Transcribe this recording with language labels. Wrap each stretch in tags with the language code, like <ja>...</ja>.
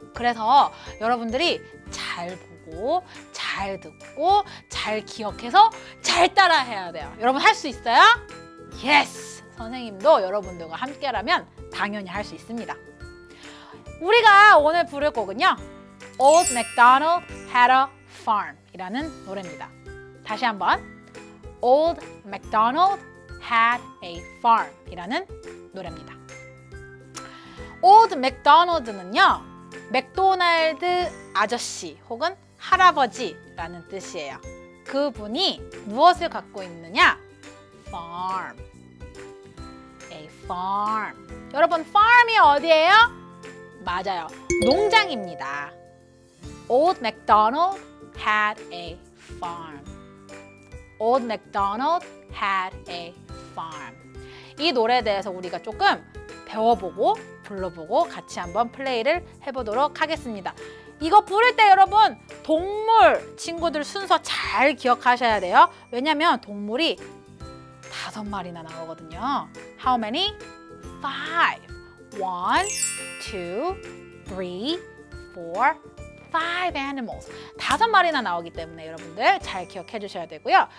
<ko>그래서 여러분들이 잘 보고 잘 듣고 잘 기억해서 잘 따라해야 돼요. 여러분 할 수 있어요? 예스! 선생님도 여러분들과 함께라면 당연히 할 수 있습니다. 우리가 오늘 부를 곡은요, Old MacDonald Had a Farm 이라는 노래입니다. 다시 한번, Old MacDonald Had a Farm 이라는 노래입니다. Old MacDonald는요, 맥도날드 아저씨 혹은 할아버지라는 뜻이에요. 그분이 무엇을 갖고 있느냐?</ko> <en>Farm. A farm.</en> <ko>여러분, farm이 어디예요? 맞아요. 농장입니다.</ko> <en>Old MacDonald had a farm. Old MacDonald had a farm.</en> <ko>이 노래에 대해서 우리가 조금 배워보고 불러보고 같이 한번 플레이를 해보도록 하겠습니다. 이거 부를 때 여러분 동물 친구들 순서 잘 기억하셔야 돼요. 왜냐면 동물이 다섯 마리나 나오거든요.</ko> <en>How many? Five. One, two, three, four, five animals.</en> <ko>다섯 마리나 나오기 때문에 여러분들 잘 기억해 주셔야 되고요.</ko>